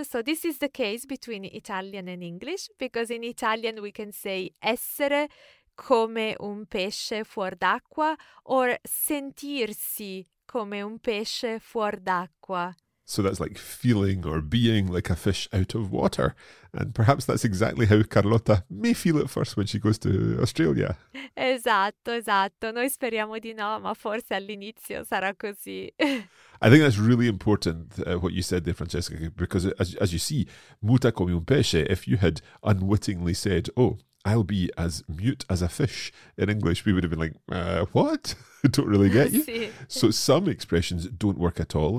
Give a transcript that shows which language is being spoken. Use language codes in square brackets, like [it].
[en] So this is the case between Italian and English, because in Italian we can say [it] essere come un pesce fuor d'acqua, [en] or [it] sentirsi come un pesce fuor d'acqua. [en] So that's like feeling or being like a fish out of water. And perhaps that's exactly how Carlotta may feel at first when she goes to Australia. [it] Esatto, esatto. Noi speriamo di no, ma forse all'inizio sarà così. [en] I think that's really important, what you said there, Francesca, because as you see, [it] muta come un pesce, [en] if you had unwittingly said, oh, I'll be as mute as a fish in English, we would have been like, what? Don't really get you. So some expressions don't work at all.